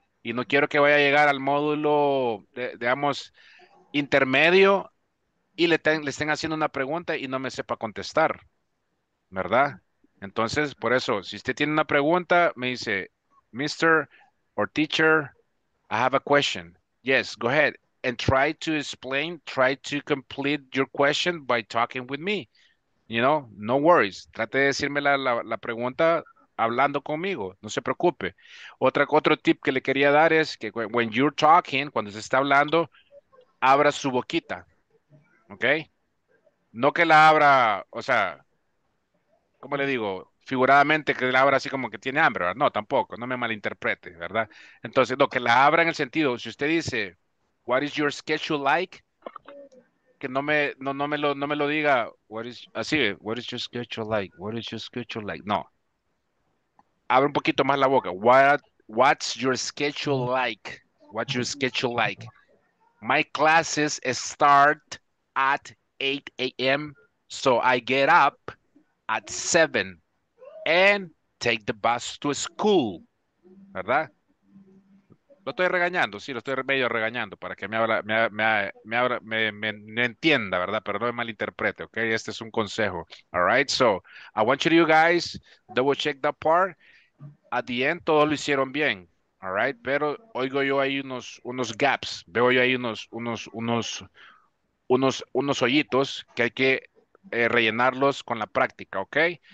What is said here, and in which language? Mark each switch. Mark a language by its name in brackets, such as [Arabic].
[Spanish] Y no quiero que vaya a llegar al módulo, digamos, intermedio y le estén haciendo una pregunta y no me sepa contestar, ¿verdad? Entonces, por eso, si usted tiene una pregunta, me dice, Mr. [English] or teacher, I have a question. Yes, go ahead and try to explain, try to complete your question by talking with me. You know, no worries. [Spanish] Trate de decirme la pregunta hablando conmigo, no se preocupe. Otro tip que le quería dar es que [English] when you're talking, [Spanish] cuando se está hablando, abra su boquita, ¿ok? No que la abra, o sea, ¿cómo le digo? Figuradamente que la abra así como que tiene hambre, ¿verdad? No, tampoco, no me malinterprete, ¿verdad? Entonces, no, que la abra en el sentido, si usted dice, [English] what is your schedule like? [Spanish] Que no me lo diga, [English] what is your schedule like? What is your schedule like? [Spanish] No. Abre un poquito más la boca. [English] What's your schedule like? What's your schedule like? My classes start at 8 a.m. So I get up at 7 and take the bus to school. [Spanish] ¿Verdad? Lo estoy regañando, sí, lo estoy medio regañando para que me entienda, ¿verdad? Pero no me malinterprete, ¿ok? Este es un consejo. [English] All right, so I want you guys double check that part. At the end, [Spanish] todos lo hicieron bien. All right, pero oigo yo ahí unos gaps. Veo yo ahí unos hoyitos que hay que rellenarlos con la práctica, ¿ok?